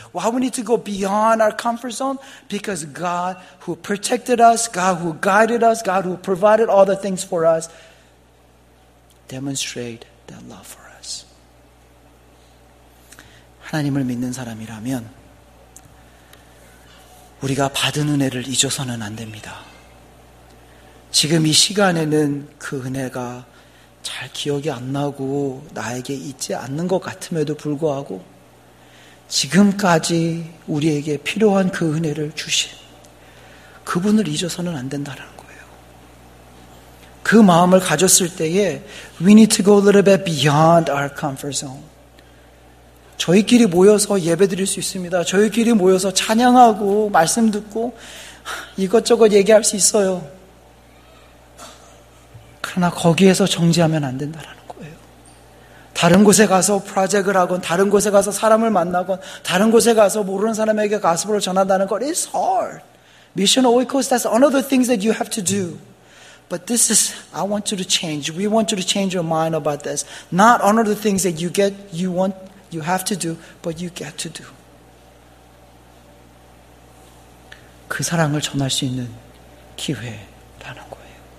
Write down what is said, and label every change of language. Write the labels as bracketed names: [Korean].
[English] Why we need to go beyond our comfort zone? Because God who protected us, God who guided us, God who provided all the things for us, demonstrate that love for us. [Korean] 하나님을 믿는 사람이라면 우리가 받은 은혜를 잊어서는 안 됩니다. 지금 이 시간에는 그 은혜가 잘 기억이 안 나고 나에게 있지 않는 것 같음에도 불구하고 지금까지 우리에게 필요한 그 은혜를 주신 그분을 잊어서는 안 된다는 거예요. 그 마음을 가졌을 때에 [English] We need to go a little bit beyond our comfort zone. [Korean] 저희끼리 모여서 예배드릴 수 있습니다. 저희끼리 모여서 찬양하고 말씀 듣고 이것저것 얘기할 수 있어요. 그러나 거기에서 정지하면 안 된다는 거예요. 다른 곳에 가서 프로젝트를 하건 다른 곳에 가서 사람을 만나건 다른 곳에 가서 모르는 사람에게 가스프를 전한다는 건 [English] It's hard. Mission Oikos, that's another thing that you have to do. But this is, I want you to change. We want you to change your mind about this. Not another things that you get, you want, you have to do, but you get to do. [Korean] 그 사랑을 전할 수 있는 기회라는 거예요.